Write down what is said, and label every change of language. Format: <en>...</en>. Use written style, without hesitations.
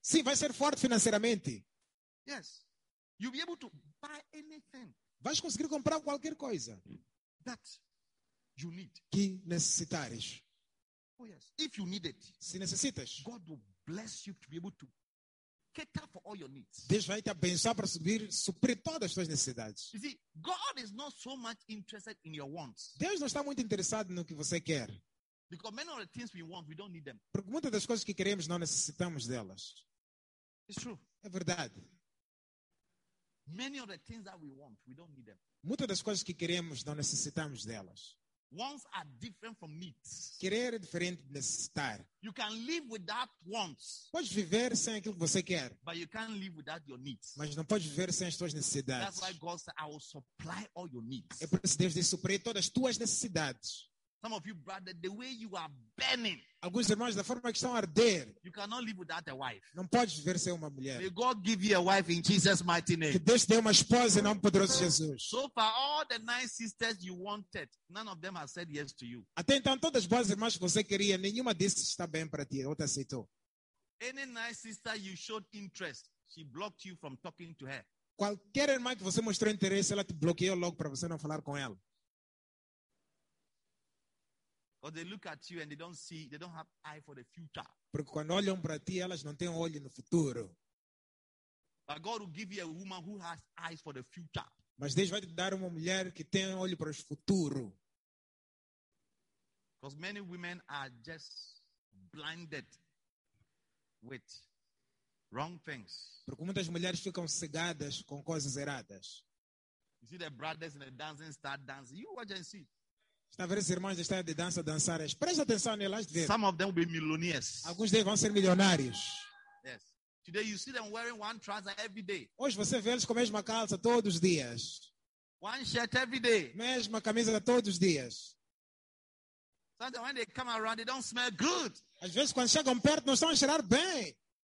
<pt>Sim, vai ser forte financeiramente.</pt> <en>Yes. You'll be able to buy anything.</en> <pt>Vais conseguir comprar qualquer coisa.</pt> <en>That you need.</en> <pt>Que necessitares.</pt> <en>Oh, yes. If you need it.</en> <pt>Se necessitas.</pt> <en>God will bless you to be able to cater for all your needs.</en> <pt>Deus vai te abençoar para suprir todas as tuas necessidades.</pt> <en>You see, God is not so much interested in your wants.</en> <pt>Deus não está muito interessado no que você quer.</pt> <en>Because many of the things we want, we don't need them.</en> <pt>Porque muitas das coisas que queremos, não necessitamos delas.</pt> <en>It's true.</en> <pt>É verdade.</pt> <en>Many of the things that we want, we don't need them.</en> <pt>Muitas das coisas que queremos, não necessitamos delas.</pt> <en>Wants are different from needs.</en> <pt>Querer é diferente de necessitar.</pt> <en>You can live without wants.</en> <pt>Podes viver sem aquilo que você quer.</pt> <en>But you can't live without your needs.</en> <pt>Mas não podes viver sem as tuas necessidades.</pt> <en>That's why God said, I will supply all your needs.</en> <pt>É por isso que Deus diz, suprir todas as tuas necessidades.</pt> <en>Some of you, brother, the way you are burning.</en> <pt>Alguns irmãos, da forma que estão a arder.</pt> <en>You cannot live without a wife.</en> <pt>Não podes viver sem uma mulher.</pt> <en>May God give you a wife in Jesus' mighty name.</en> <pt>Que Deus dê uma esposa em nome poderoso de Jesus.</pt> <en>So far, all the nine sisters you wanted, none of them have said yes to you.</en> <pt>Até então, todas as boas irmãs que você queria, nenhuma disse está bem para ti. Outra aceitou.</pt> <en>Any nine sister you showed interest, she blocked you from talking to her.</en> <pt>Qualquer irmã que você mostrou interesse, ela te bloqueou logo para você não falar com ela.</pt> <en>Or they look at you and they don't see, they don't have eye for the future.</en> <pt>Porque quando olham para ti, elas não têm olho no futuro.</pt> <en>But God will give you a woman who has eyes for the future.</en> <pt>Mas Deus vai te dar uma mulher que tem olho para o futuro.</pt> <en>Because many women are just blinded with wrong things.</en> <pt>Porque muitas mulheres ficam cegadas com coisas erradas.</pt> <en>You see the brothers in the dancing start dancing. You watch and see.</en> <pt>Está a ver os irmãos de história de dança dançar? Presta atenção nelas de ver.</pt> <en>Some of them will be millionaires.</en> <pt>Alguns deles vão ser milionários.</pt> <en>Yes. Today you see them wearing one trouser every day.</en> <pt>Hoje você vê eles com a mesma calça todos os dias.</pt> <en>One shirt every day.</en> <pt>Mesma camisa todos os dias.</pt> <en>Sometimes when they come around, they don't smell good.</en> <pt>Às vezes quando chegam perto não estão a cheirar bem.</pt>